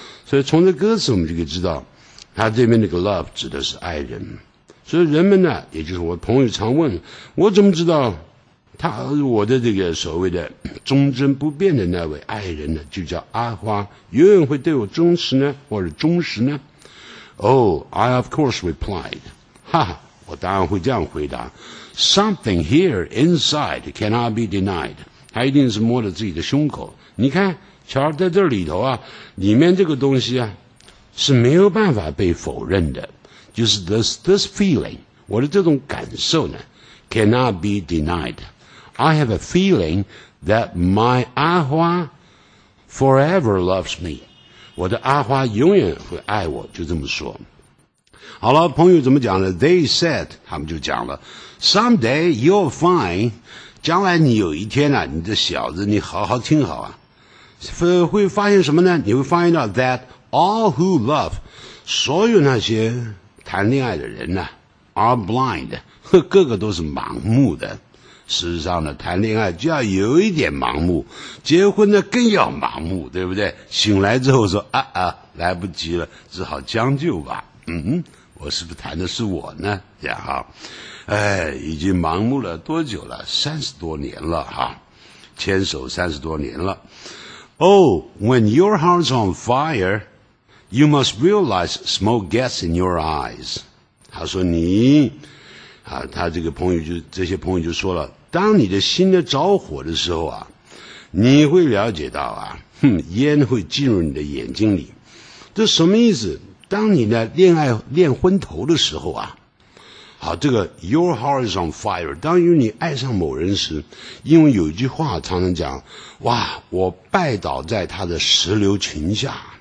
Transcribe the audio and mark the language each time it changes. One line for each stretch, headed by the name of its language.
Chinese: 所以从这歌词我们就可以知道，他这边那个 love 指的是爱人。所以人们呢，也就是我朋友常问我怎么知道他，我的这个所谓的忠贞不变的那位爱人呢，就叫阿花，永远会对我忠实呢，或者忠实呢？
English: I of course replied，
Chinese: 哈哈，我当然会这样回答，
English: Something here inside cannot be denied。
Chinese: 他一定是摸着自己的胸口，你看瞧在这里头啊，里面这个东西啊是没有办法被否认的，就是
English: this feeling，
Chinese: 我的这种感受呢
English: cannot be denied。 I have a feeling that my 阿花 forever loves me，
Chinese: 我的阿花永远会爱我，就这么说。好了，朋友怎么讲呢？
English: They said，
Chinese: 他们就讲了，
English: Someday you're fine，
Chinese: 将来你有一天啊，你这小子你好好听好啊，会发现什么呢？你会
English: find out that all who love，
Chinese: 所有那些谈恋爱的人呢、
English: are blind，
Chinese: 个个都是盲目的。事实上呢，谈恋爱就要有一点盲目，结婚呢更要盲目，对不对？醒来之后说啊来不及了，只好将就吧。我是不是谈的是我呢？这样哈，哎，已经盲目了多久了？ 30多年了哈，牵手30多年了。
English: When your heart's on fire, you must realize smoke gets in your eyes。
Chinese: 他说你，啊，他这个朋友就这些朋友就说了，当你的心呢着火的时候啊，你会了解到啊，烟会进入你的眼睛里，这什么意思？当你呢恋爱恋昏头的时候啊，好，这个
English: your heart is on fire，
Chinese: 当于你爱上某人时，因为有一句话常常讲，哇，我拜倒在他的石榴裙下。